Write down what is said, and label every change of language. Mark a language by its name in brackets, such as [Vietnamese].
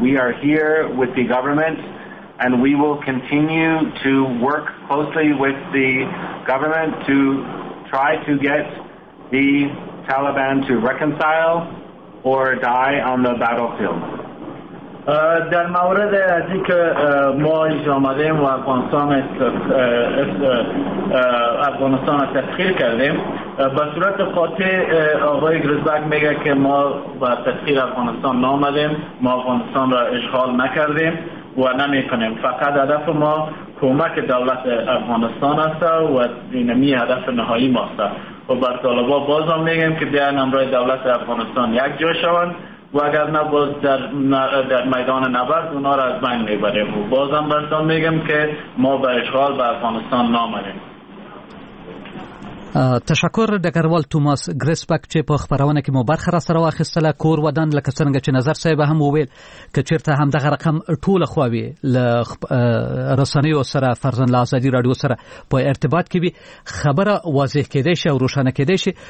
[English] We are here with the government, and we will continue to work closely with the government to try to get the Taliban to reconcile or die on the battlefield. [Persian] در مورد از این که ما اینجا آمده ایم و افغانستان را تسخیر کردیم، به صورت قاطع آقای گریزبک میگه که ما به تسخیر افغانستان نامدیم، ما افغانستان را اشغال نکردیم و نمی کنیم. فقط هدف ما کمک دولت افغانستان است و اینمی هدف نهایی ماست. و بر طالبا باز هم میگم که بیان امرای دولت افغانستان یک جا شوند و اگر نه باز در میدان نبرد اونا را از بین میبریم. و باز هم برسان میگم که ما به اشغال به افغانستان نامدیم. [Pashto] تشکر دگروال توماس گریسبک چې په خبرونه کې مو برخه راسره واخیستله. کور ودان لکه څنګه چې نظر صاحب هم وویل که چیرته هم دغه رقم ټوله خواوي له رسنیو سره فرزند آزادی رادیو سره په ارتباط کې وي، خبره واضح کېدی شي او روښانه کېدی شي.